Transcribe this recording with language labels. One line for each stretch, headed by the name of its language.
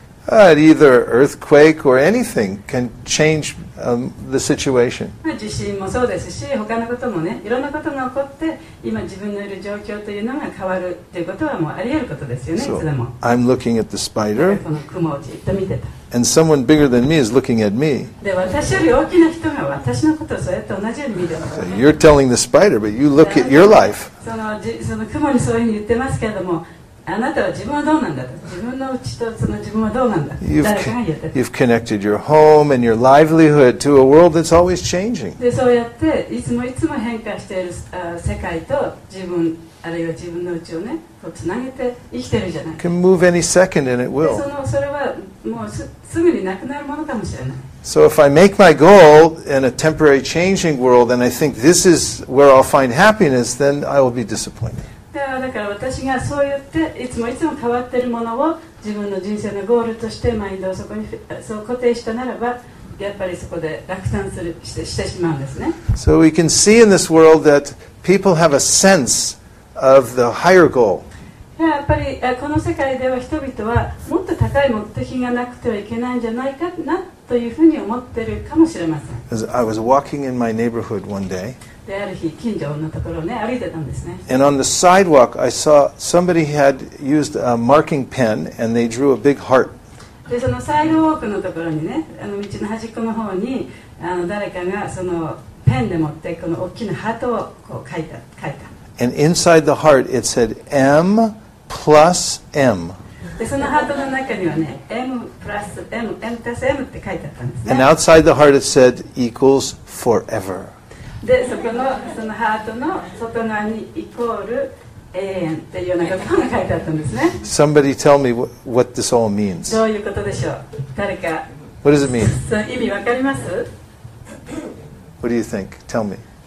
English: Either earthquake or anything can change the situation.
Japanese: 地震もそうですし、他のこともね、いろんなことが起こって、今自分のいる状況というのが変わるということはもうあり得ることですよね、
English: so、
Japanese: いつでも。
English: I'm looking at the spider.
Japanese: この雲をじっと見てた。
English: And someone bigger than me is looking at me.
Japanese: で、私より大きな人が私のことをそうやって同じように見てます、ね。
English: So、you're telling the spider, but you look at your life.
Japanese: その雲にそういうふうに言ってますけれども、あなたは自分はどうなんだと、自分のうちとその自分はどうなんだ、誰かが言ってた。
English: You've connected your home and your livelihood to a world that's always changing.
Japanese: で、そうやっていつもいつも変化している世界と自分、あるいは自分のうちをね、こうつなげて生きてるじゃない。
English: Can move any second and it will.
Japanese: で、それはもう すぐになくなるものかもしれない。
English: So if I make my goal in a temporary changing world and I think this is where I'll find happiness, then I will be disappointed.
Japanese: だから私がそう言っていつもいつも変わっているものを自分の人生のゴールとしてマインドをそこにそう固定したならば、やっぱりそこで落胆するしてしまうんですね。
English: So we can see in this world that people have a sense of the higher goal.
Japanese: やっぱりこの世界では人々はもっと高い目的がなくてはいけないんじゃないかなというふうに思っているかもしれません。
English: As I was walking in my neighborhood one day.
Japanese: である日近所のところね歩いてたんですね。
English: And on the sidewalk, I saw somebody had used a marking pen and they drew a big heart.
Japanese: で、そのサイドウォークのところにね、道の端っこの方に誰かがそのペンで持ってこの大きなハートをこう描いた。
English: And inside the heart, it said M plus M.
Japanese: で、そのハートの中にはね、M plus M、M plus M って書いてあったんですね。
English: And outside the heart, it said equals forever.
Japanese: で、そのハートの外側にイコール永遠っていうようなことが書いてあったんですね。
English: Somebody tell me what this all means.
Japanese: どういうことでしょう。誰か。
English: What does it mean?
Japanese: 意味わかります？
English: What do you think? Tell me.